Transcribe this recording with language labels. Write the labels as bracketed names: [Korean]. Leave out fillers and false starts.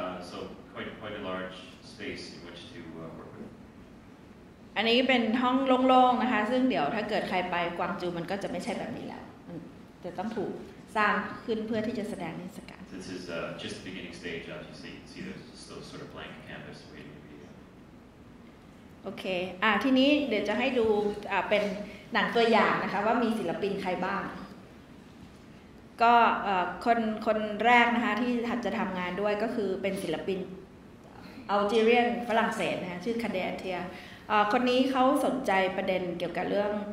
[English] so quite a large space in which to work with. [Thai] อันนี้เป็นห้องโล่งๆนะคะซึ่งเดี๋ยวถ้าเกิดใครไปกวางจูมันก็จะไม่ใช่แบบนี้แล้วจะต้องถูกสร้างขึ้นเพื่อที่จะแสดงนิทรรศการ [English] This is just the beginning stage. As you see there's still sort of blank canvas waiting to be. Okay. [Thai] ทีนี้เดี๋ยวจะให้ดูเป็นหนังตัวอย่างนะคะว่ามีศิลปินใครบ้างก็คนแรกนะคะที่จะทำงานด้วยก็คือเป็นศิลปินอัลจีเรียนฝรั่งเศสนะคะชื่อคาเดเทียคนนี้เขาสนใจประเด็นเกี่ยวกับเรื่อง